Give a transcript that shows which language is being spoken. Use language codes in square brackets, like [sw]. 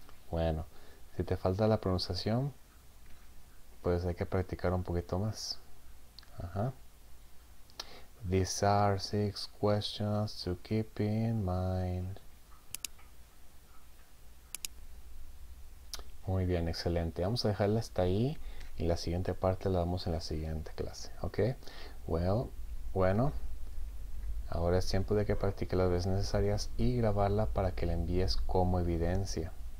[es] Bueno, si te falta la pronunciación, pues hay que practicar un poquito más. [en] These are six questions to keep in mind. [es] Muy bien, excelente. Vamos a dejarla hasta ahí y la siguiente parte la damos en la siguiente clase. ¿Ok? Bueno, ahora es tiempo de que practique las veces necesarias y grabarla para que la envíes como evidencia.